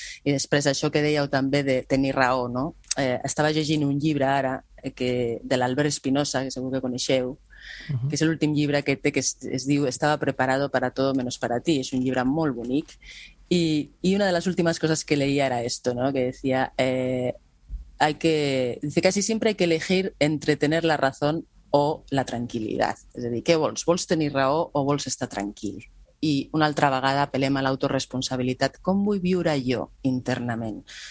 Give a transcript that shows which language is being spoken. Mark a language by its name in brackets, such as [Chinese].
[Catalan] I després això que dèieu també de tenir raó, no? Estava llegint un llibre ara de l'Albert Espinosa, que segur que coneixeu, que és l'últim llibre que té, que es diu Estava preparado para todo menos para ti. És un llibre molt bonic. [Spanish] Y una de las últimas cosas que leía era esto, ¿no? Que decía, dice, casi siempre hay que elegir entre tener la razón o la tranquilidad. Es decir, [Catalan] ¿qué vols? ¿Vols tenir raó o vols estar tranquil? I una altra vegada apel·lem a l'autoresponsabilitat. Com vull viure jo internament?